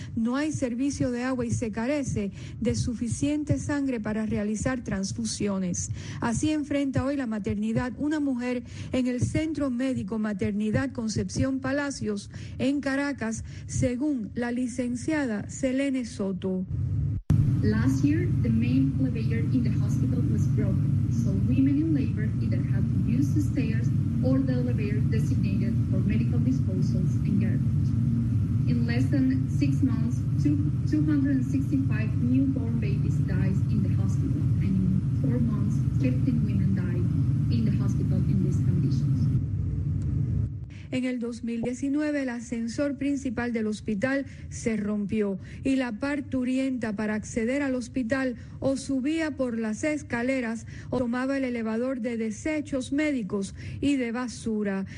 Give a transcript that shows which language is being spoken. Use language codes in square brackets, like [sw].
[es] No hay servicio de agua y se carece de suficiente sangre para realizar transfusiones. Así enfrenta hoy la maternidad una mujer en el centro médico Maternidad Concepción Palacios en Caracas, según la licenciada Selene Soto. [en] Last year, the main elevator in the hospital was broken, so women in labor either had to use the stairs or the elevator designated for medical disposals and garbage. In less than 6 months, 265 newborn babies died in the hospital, and in 4 months, 15 women died in the hospital in these conditions. [es] En el 2019, el ascensor principal del hospital se rompió y la parturienta, para acceder al hospital, o subía por las escaleras o tomaba el elevador de desechos médicos y de basura.